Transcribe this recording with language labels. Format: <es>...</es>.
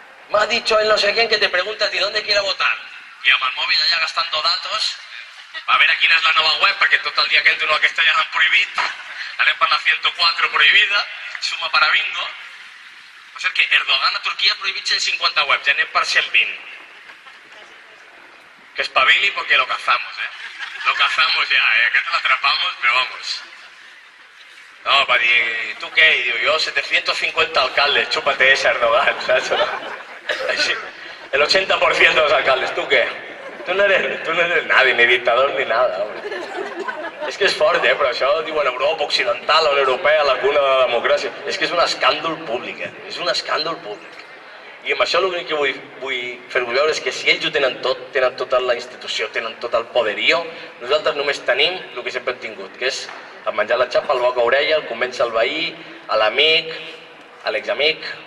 <es>M'ha dit el no sé quién que te pregunta a ti dónde quiere votar.</es> <ca>I amb el mòbil allà</ca> <es>gastando datos,</es> <ca>va a veure quina és la nova web, perquè tot el dia que entro aquesta ja l'han prohibit. Anem per la 104 prohibida,</ca> <es>suma para bingo.</es> <ca>O sigui que Erdogan a Turquia ha prohibit 150 webs, ja anem per 120.</ca> <es>Que espavili porque lo cazamos, eh? Lo cazamos ya, eh? Que te lo atrapamos, pero vamos.</es> <ca>No, va dir, tu què? I diu, jo 750 alcaldes,</ca> <es>xúpate ese Erdogan,</es> <ca>saps? Així, el 80% dels alcaldes, tu què?</ca> <es>Tu no eres nadie, ni dictador ni nada.</es> <ca>És que és fort, però això diuen Europa Occidental, o l'Europea, la cuna de la democràcia. És que és un escàndol públic, és un escàndol públic. I amb això l'únic que vull fer-vos veure és que si ells ho tenen tota la institució, tenen tot el poderío, nosaltres només tenim el que sempre hem tingut, que és el menjar la xapa, el boca a orella, el convèncer el veí, a l'amic, a l'examic,</ca>